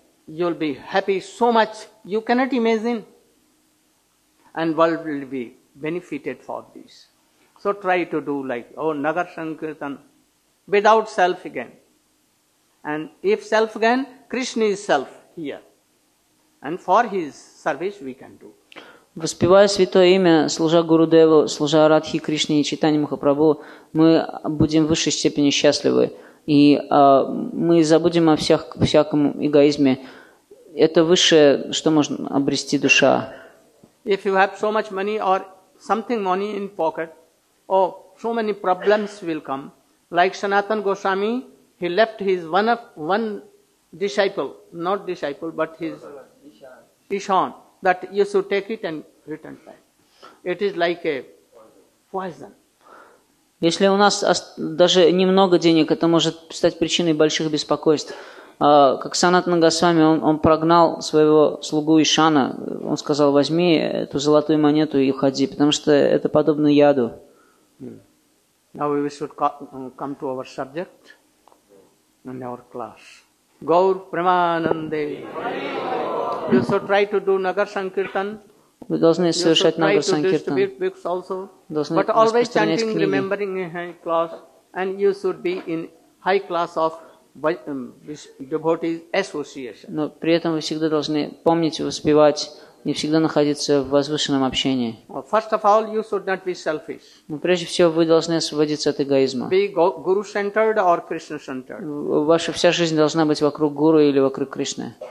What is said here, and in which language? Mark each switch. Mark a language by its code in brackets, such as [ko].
[en] You will be happy so much. You cannot imagine. And world will be benefited for this. So try to do like, Nagar Sankirtan, without self again. And if self again, Krishna is self here. And for his service we can do. [ru] Воспевая святое имя, служа Гуру Деву, служа Радхи Кришне и Чайтанья Махапрабху, мы будем в высшей степени счастливы. И мы забудем о всяком эгоизме. это высшее, что можно обрести душа. [en] If you have so much money or something money in pocket, oh, so many problems will come. Like Sanatan Goswami, he left his one disciple, not disciple, but his Ishan, that you should take it and return back. It is like a poison. [ru] Если у нас даже немного денег, это может стать причиной больших беспокойств. Как Санатана Госвами, он прогнал своего слугу Ишана. Он сказал, возьми эту золотую монету и уходи, потому что это подобно яду. [en] Now we should come to our subject and our class. Gaur Premanande. You should try to do Nagar Sankirtan. [ru] Вы должны совершать Нагар Санкиртан. [en] But always chanting, remembering in high class, and you should be in high class of devotees association. [ru] Но при этом вы всегда должны помнить, воспевать и всегда находиться в возвышенном общении. [en] First of all, you should not be selfish. [ru] Но прежде всего вы должны освободиться от эгоизма. [en] Be guru-centered or Krishna-centered. [ru] Ваша вся жизнь должна быть вокруг гуру или вокруг Кришны.